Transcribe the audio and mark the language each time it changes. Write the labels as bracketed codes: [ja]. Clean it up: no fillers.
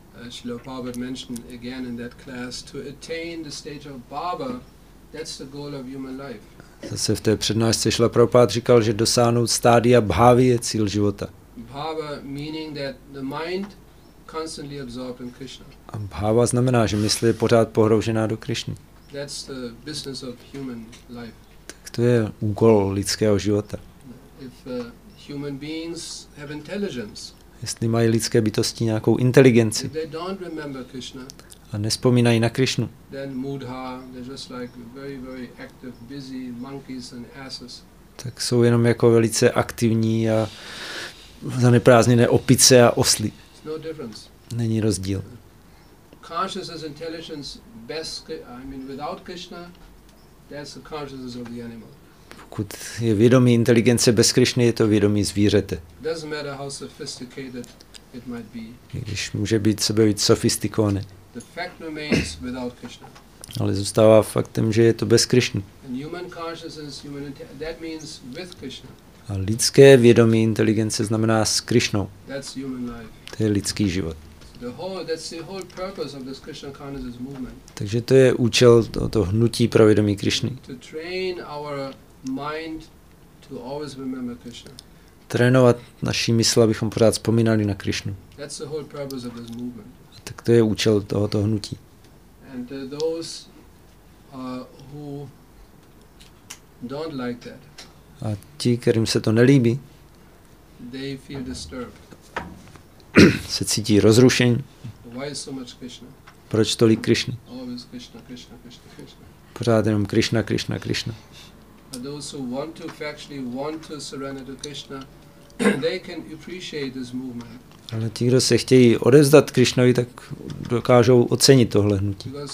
[en] Srila Prabhupada mentioned again in that class, to attain the stage of Baba, that's the goal of human life. [cs] Zase v té přednášce Srila Prabhupada říkal, že dosáhnout stádia bhávy je cíl života. [en] Bhava meaning that the mind constantly absorbed in Krishna. [cs] A bhava znamená, že mysl je pořád pohroužená do Krišny. [en] That's the business of human life. [cs] Tak to je úkol lidského života. [en] If human beings have intelligence, [cs] jestli mají lidské bytosti nějakou inteligenci, [en] if they don't remember Krishna, [cs] a nespomínají na Krišnu, [en] then mudha, they're just like very, very active, busy monkeys and asses. [cs] Tak jsou jenom jako velice aktivní a zaneprázdněné opice a osly. [en] It's no difference. [cs] Není rozdíl. [en] Consciousness, intelligence, best, I mean, without Krishna, that's the consciousness of the animal. [cs] Pokud je vědomí inteligence bez Krišny, je to vědomí zvířete. [en] Doesn't matter how sophisticated it might be. [cs] Když může být sebe víc sofistikované. [en] The fact remains without Krishna. [cs] Ale zůstává faktem, že je to bez Krišny. [en] And human consciousness, human that means with Krishna. [cs] A lidské vědomí inteligence znamená s Krišnou. [en] That's human life. [cs] To je lidský život. [en] The whole, that's the whole purpose of this Krishna consciousness movement. [cs] Takže to je účel toho hnutí pro vědomí Krišny. [en] To train our mind to always remember Krishna. [cs] Trénovat naši mysl, abychom pořád vzpomínali na Krišnu. [en] That's the whole purpose of this movement. [cs] Tak to je účel tohoto hnutí. [en] And those who don't like that. [cs] A ti, kterým se to nelíbí, [en] they feel disturbed. [cs] Se cítí rozrušení. [en] Why so much Krishna? [cs] Proč tolik Krišny? [en] Always Krishna, Krishna, Krishna, Krishna. [cs] Pořád jenom Krišna, Krišna, Krishna. [en] And those who want to actually want to surrender to Krishna, they can appreciate this movement. [cs] Ale ti, kdo se chtějí odevzdat Krišnovi, tak dokážou ocenit tohle hnutí.